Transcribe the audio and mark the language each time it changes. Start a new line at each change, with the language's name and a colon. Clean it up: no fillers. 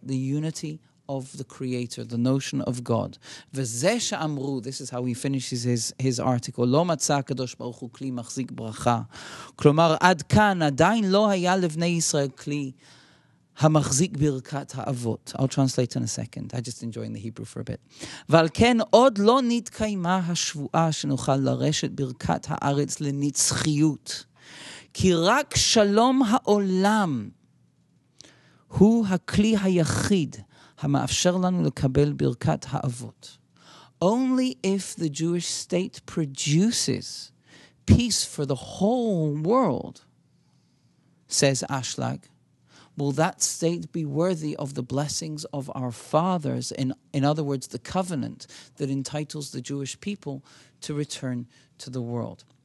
English: The unity of the Creator, the notion of God.
Hebrew: Vezesha amru,
English: this is how he finishes his article.
Hebrew: Lo matza kadosh baruch hu kli machzik bracha. Klomar ad kan adain lo haya levnei Yisrael kli המחזיק ברכת האבות.
English: I'll translate in a second. I just enjoying the Hebrew for a bit.
Hebrew: ועל כן עוד לא נתקיימה השבועה שנוכל לרשת ברכת הארץ לנצחיות. כי רק שלום העולם הוא הכלי היחיד המאפשר לנו לקבל ברכת האבות.
English: Only if the Jewish state produces peace for the whole world, says Ashlag, will that state be worthy of the blessings of our fathers, in other words, the covenant that entitles the Jewish people to return to the world.